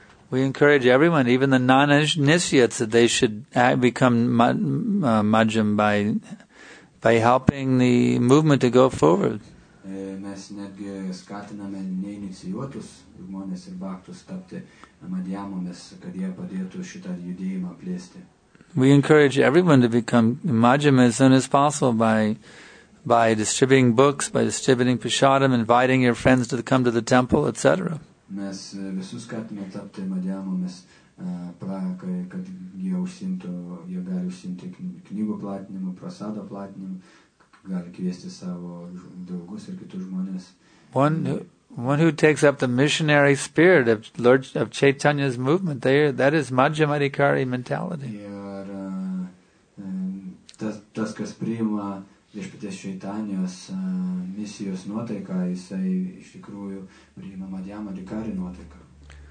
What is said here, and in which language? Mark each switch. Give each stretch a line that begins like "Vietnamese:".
English: We encourage everyone, even the non-initiates, that they should become Majjhim by helping the movement to go forward.
Lithuanian: Mes netgi skatiname neinicijuotus žmonės ir baktus tapti madjamomis, kad jie padėtų šitą judėjimą plėsti.
English: We encourage everyone to become Majjhim as soon as possible by distributing books, by distributing prasadam, inviting your friends to come to the temple, etc.
Lithuanian: Mes visus skatiname tapti madjamomis, kad jie užsimtų, jie gali užsimti knygų platinimu, prasado platinimu, gali kviesti savo draugus ir kitus žmonės.
English: One who takes up the missionary spirit of Lord of Chaitanya's movement, that is Madhyamadhikari mentality.
Lithuanian: Ir tas, kas priima viešpaties Chaitanyos misijos nuotaiką, jisai iš tikrųjų priima Madhyamadhikari nuotaiką.